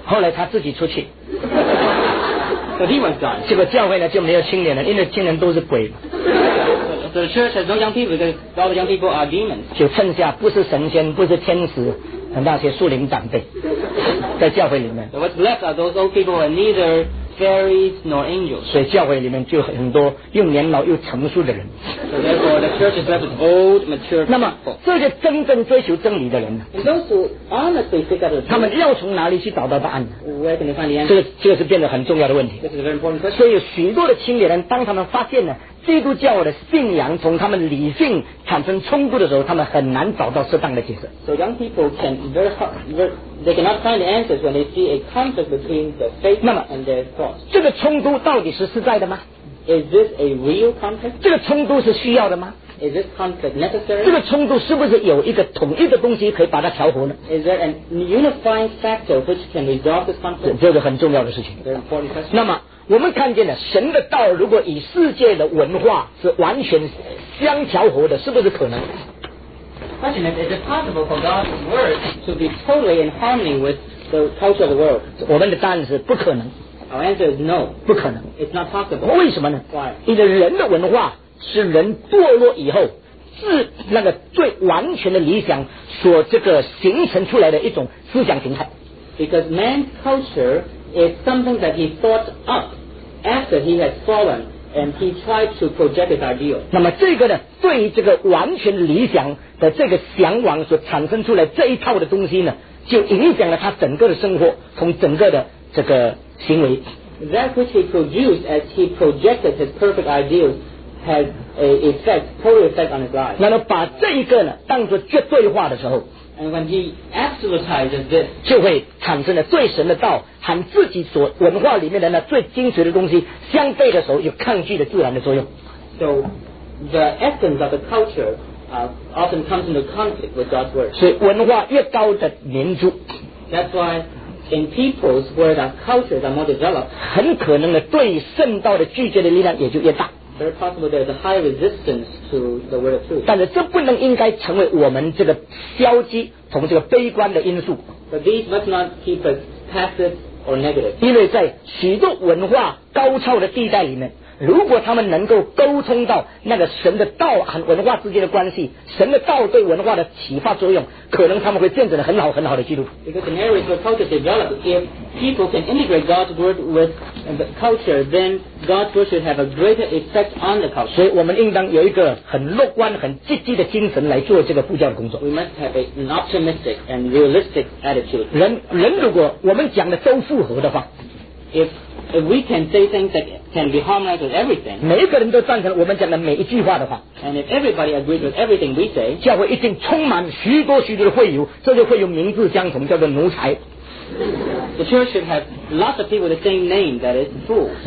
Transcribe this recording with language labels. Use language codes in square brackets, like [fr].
[zh] 后来他自己出去。 [en] So he was gone. [zh] 结果教会呢就没有青年了，因为青年都是鬼。 [en] So the church has no young people because all the young people are demons. [zh] 就剩下不是神仙不是天使那些树林长辈在教会里面。 [en] So what's left are those old people who are neither fairies nor angels. [zh] 所以教会里面就很多又年老又成熟的人。 [en] So therefore the church is left with old, mature people. [zh] 那么这些真正追求真理的人 [en] And those who honestly seek out the truth, [zh] 他们要从哪里去找到答案 [en] Where can they find the answer? [zh] 这个是变得很重要的问题。 [en] This is a very important question. [zh] 所以有许多的青年人当他们发现呢基督教的信仰从他们理性产生冲突的时候他们很难找到适当的解释 [en] So young people can they cannot find the answers when they see a conflict between the faith and their thoughts [zh] 这个冲突到底是实在的吗 [en] Is this a real conflict? [zh] 这个冲突是需要的吗 [en] Is this conflict necessary? [zh] 这个冲突是不是有一个统一的东西可以把它调和呢 [en] Is there a unifying factor which can resolve this conflict? [zh] 这个很重要的事情 [en] Very important question [zh] 那么我们看见了神的道如果与世界的文化是完全相调和的是不是可能 [en] Question is, is it possible for God's word to be totally in harmony with the culture of the world? [zh] 我们的答案是不可能 [en] Our answer is no [zh] 不可能 [en] It's not possible [zh] 为什么呢 [en] Why? [zh] 因为人的文化是人堕落以后是那个最完全的理想所这个形成出来的一种思想形态 [en] Because man's cultureIs something that he thought up after he had fallen and he tried to project his ideal. [zh] 那么这个呢，对于这个完全理想的这个向往所产生出来这一套的东西呢，就影响了他整个的生活，从整个的这个行为。 [en] That which he produced as he projected his perfect ideal had an effect, total effect on his life. [zh] 那么把这一个呢，当作绝对化的时候。 [en] And when he absolutizes this, [zh] 就会产生了对神的道和自己所文化里面的那最精髓的东西相对的时候，有抗拒的自然的作用。 [en] So the essence of the culture often comes into conflict with God's word. [zh] 所以文化越高的民族 [en] ，That's why in peoples where the cultures are more developed, [zh] 很可能的对圣道的拒绝的力量也就越大。 [en] Very possible there is a high resistance to the word of truth. [zh] 但是这不能应该成为我们这个消极从这个悲观的因素。 [en] But these must not keep us passive or negative. [zh] 因为在许多文化高超的地带里面，如果他们能够沟通到那个神的道和文化之间的关系，神的道对文化的启发作用，可能他们会建成很好很好的基督徒。 [en] Because in areas where culture develops, if people can integrate God's word with the culture, then God's word should have a greater effect on the culture. [zh] 所以我们应当有一个很乐观、很积极的精神来做这个布教的工作。 [en] We must have an optimistic and realistic attitude. [zh] 人如果我们讲的都符合的话 [en] If we can say things that can be harmonized with everything, [zh] 每一个人都赞成我们讲的每一句话的话 [en] and if everybody agrees with everything we say, [zh] 教会一定充满许多许多的会友，这些会友名字相同，叫做奴才。 [en] The church should have lots of people with the same name, that is fools.